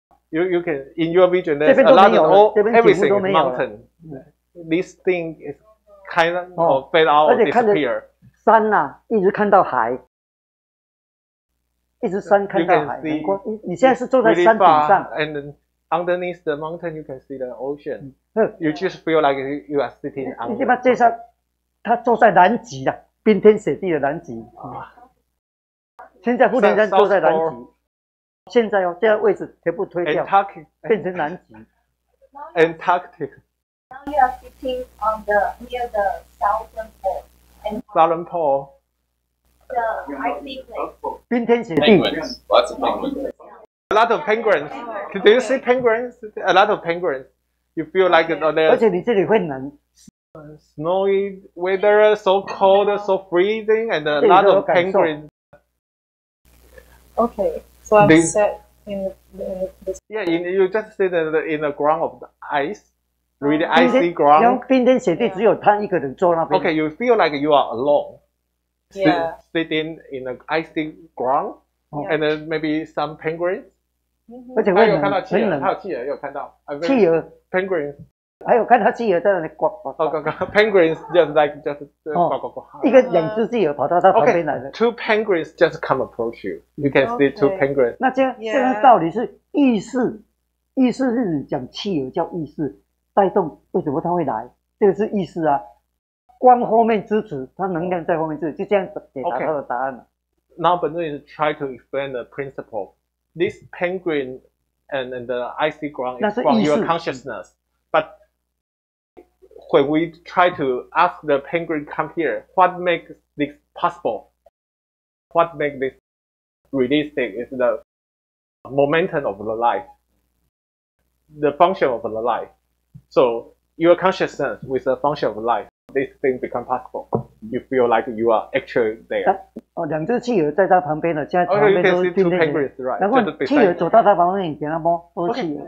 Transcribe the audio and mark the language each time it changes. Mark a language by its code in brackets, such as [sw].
[en] You can in your vision there's a lot of everything mountain. This thing is kind of fade out or disappear. [zh] 山呐、啊，一直看到海，一直山看到海。你现在是坐在山顶上。 [en] And underneath the mountain, you can see the ocean. You just feel like you are sitting on. [zh] 你把这山，他坐在南极的。冰天雪地的南极，现在富士山坐在南极，现在哦，这个位置全部推掉， [en] Antarctic, [zh] 变成南极。 [en] Antarctic. Now you are sitting on the near the southern pole. Southern pole. The icy place. [zh] 冰天雪地。 [en] Penguins. Lots of penguins. A lot of penguins. Do you see penguins? A lot of penguins. You feel like it there. [zh] 而且你这里会冷。 [en] Snowy weather, so cold, so freezing, and a lot of penguins. Okay, so I'm set in the Yeah, you just sit in the ground of the ice, really icy ground. [zh] 冰天雪地只有他一个人坐那边。 [en] Okay, you feel like you are alone. Yeah. Sitting in the icy ground, and then maybe some penguins. [zh] 而且还有看到企鹅，还有企鹅有看到。企鹅。 [en] Penguins. [zh] 还有看到企鹅在那里呱呱呱。 [en] Penguins just like just 呱呱呱。 [zh] 一个两只企鹅跑到他旁边来了。 [en] Okay, two penguins just come approach you. You can see two penguins. [zh] 那这样道理是意识，意识是你讲企鹅叫意识，带动为什么它会来？这个是意识啊，光后面支持，它能量在后面支持，就这样解答它的答案了。 [en] Now Benjamin is try to explain the principle. This penguin and the icy ground is from your consciousness. But when we try to ask the penguin come here, what makes this possible? What makes this realistic is the momentum of the life, the function of the life. So your consciousness with the function of life, this thing become possible. You feel like you are actually there. [zh] 两只企鹅在他旁边的，现在旁边都是冰冰的。Right, 然后企鹅走到他旁边，你给他摸，都是企鹅。